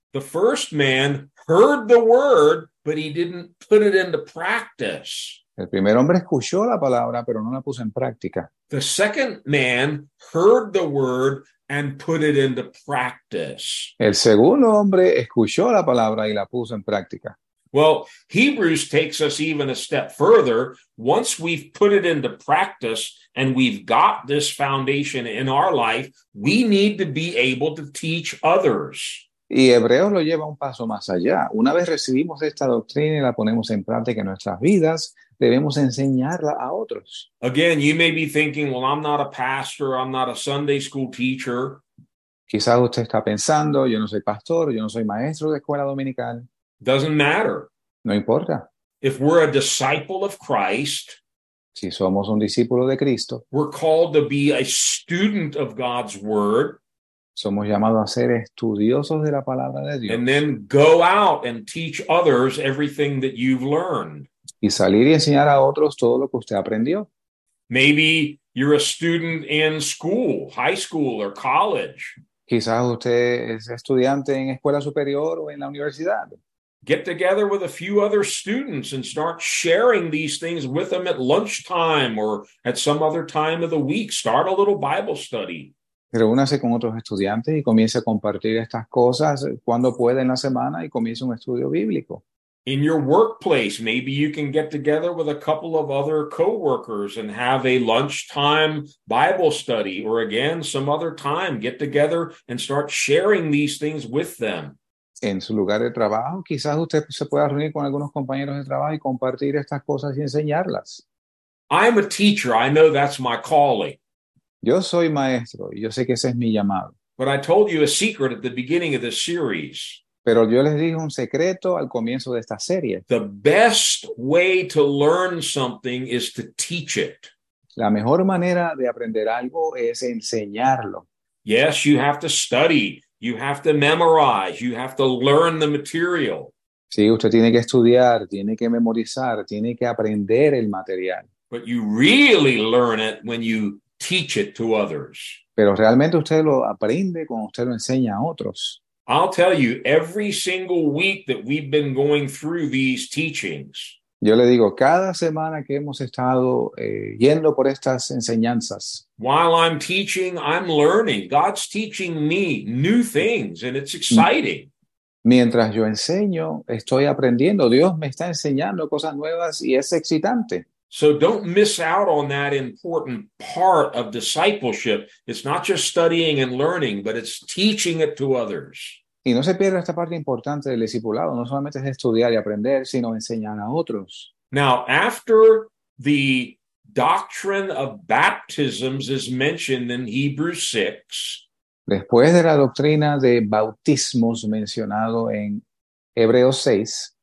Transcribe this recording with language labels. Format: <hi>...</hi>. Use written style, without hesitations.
<en>The first man heard the word, but he didn't put it into practice.</en> <es>El primer hombre escuchó la palabra, pero no la puso en práctica.</es> <en>The second man heard the word and put it into practice.</en> <es>El segundo hombre escuchó la palabra y la puso en práctica.</es> <en>Well, Hebrews takes us even a step further. Once we've put it into practice and we've got this foundation in our life, we need to be able to teach others.</en> <es>Y Hebreos lo lleva un paso más allá. Una vez recibimos esta doctrina y la ponemos en práctica en nuestras vidas, debemos enseñarla a otros.</es> <en>Again, you may be thinking, well, I'm not a pastor, I'm not a Sunday school teacher.</en> <es>Quizás usted está pensando, yo no soy pastor, yo no soy maestro de escuela dominical.</es> <en>Doesn't matter.</en> <es>No importa.</es> <en>If we're a disciple of Christ,</en> <es>si somos un discípulo de Cristo,</es> <en>we're called to be a student of God's word.</en> <es>Somos llamados a ser estudiosos de la palabra de Dios.</es> <en>And then go out and teach others everything that you've learned.</en> <es>Y salir y enseñar a otros todo lo que usted aprendió.</es> <en>Maybe you're a student in school, high school or college.</en> <es>Quizás usted es estudiante en escuela superior o en la universidad.</es> <en>Get together with a few other students and start sharing these things with them at lunchtime or at some other time of the week. Start a little Bible study.</en> <es>Reúnase con otros estudiantes y comience a compartir estas cosas cuando pueda en la semana y comience un estudio bíblico.</es> <en>In your workplace, maybe you can get together with a couple of other coworkers and have a lunchtime Bible study, or again, some other time, get together and start sharing these things with them.</en> <es>En su lugar de trabajo, quizás usted se pueda reunir con algunos compañeros de trabajo y compartir estas cosas y enseñarlas.</es> <en>I'm a teacher. I know that's my calling.</en> <es>Yo soy maestro y yo sé que ese es mi llamado.</es> <en>But I told you a secret at the beginning of this series.</en> <es>Pero yo les dije un secreto al comienzo de esta serie.</es> <en>The best way to learn something is to teach it.</en> <es>La mejor manera de aprender algo es enseñarlo.</es> <en>Yes, you have to study. You have to memorize. You have to learn the material.</en> <es>Sí, usted tiene que estudiar, tiene que memorizar, tiene que aprender el material.</es> <en>But you really learn it when you teach it to others.</en> <es>Pero realmente usted lo aprende cuando usted lo enseña a otros.</es> <en>I'll tell you, every single week that we've been going through these teachings,</en> <es>yo le digo, cada semana que hemos estado yendo por estas enseñanzas,</es> <en>while I'm teaching, I'm learning. God's teaching me new things, and it's exciting.</en> <es>Mientras yo enseño, estoy aprendiendo. Dios me está enseñando cosas nuevas y es excitante.</es> <en>So don't miss out on that important part of discipleship. It's not just studying and learning, but it's teaching it to others.</en> <es>Y no se pierda esta parte importante del discipulado. No solamente es estudiar y aprender, sino enseñar a otros.</es> <en>Now, after the doctrine of baptisms is mentioned in Hebrews 6,</en> <es>después de la doctrina de bautismos mencionado en Hebreos 6,</es>